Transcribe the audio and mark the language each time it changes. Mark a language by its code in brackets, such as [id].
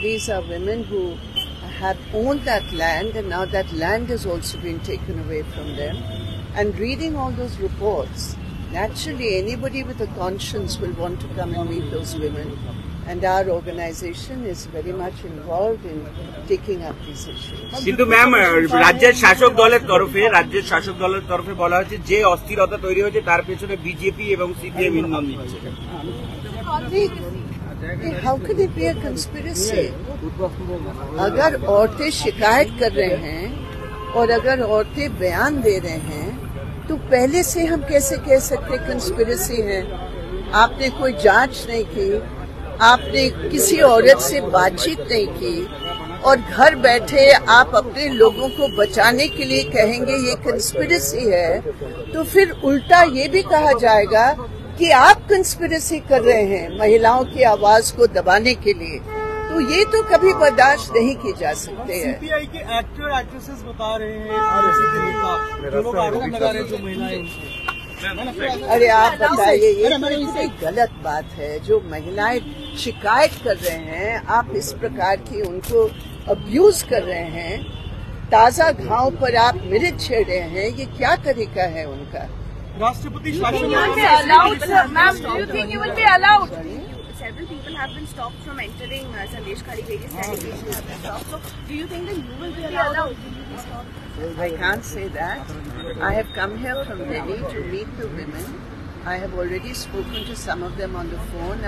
[en] These are women who have owned that land, and now that land has also been taken away from them. And reading all those reports, naturally anybody with a conscience will want to come and meet those women. And our organization is very much involved in taking up these issues. [bn] কিন্তু ma'am, রাজ্যের শাসক দলের তরফে, রাজ্যের শাসক দলের তরফে বলা হয়েছে যে অস্থিরতা তৈরি হয়েছে তার পেছনে বিজেপি এবং সিপিএম ইন্ধন দিচ্ছে। [en] How could it be a conspiracy? [hi] अगर औरतें शिकायत कर रहे हैं और अगर औरतें बयान दे रहे हैं तो पहले से हम कैसे कह सकते कंस्पिरेसी है? आपने कोई जांच नहीं की, आपने किसी औरत से बातचीत नहीं की और घर बैठे आप अपने लोगों को बचाने के लिए कहेंगे ये कंस्पिरेसी है, तो फिर उल्टा ये भी कहा जाएगा कि आप कंस्पिरेसी कर रहे हैं महिलाओं की आवाज को दबाने के लिए, तो ये तो कभी बर्दाश्त नहीं की जा सकते हैं। सीपीआई के एक्टर एक्ट्रेसेस बता रहे हैं और उसी के आरोप लगा रहे हैं जो महिलाएं। अरे आप बताइए, ये तो गलत बात है। जो महिलाएं शिकायत कर रहे हैं आप इस प्रकार की उनको अब्यूज कर रहे हैं, ताजा घाव पर आप मिर्च छेड़ रहे हैं, ये क्या तरीका है उनका? राष्ट्रपति [en] Several people have been stopped from entering Sandesh Khari, various delegations have been stopped. So do you think that you will be allowed? I can't say that. I have come here from Delhi to meet the women. I have already spoken to some of them on the phone.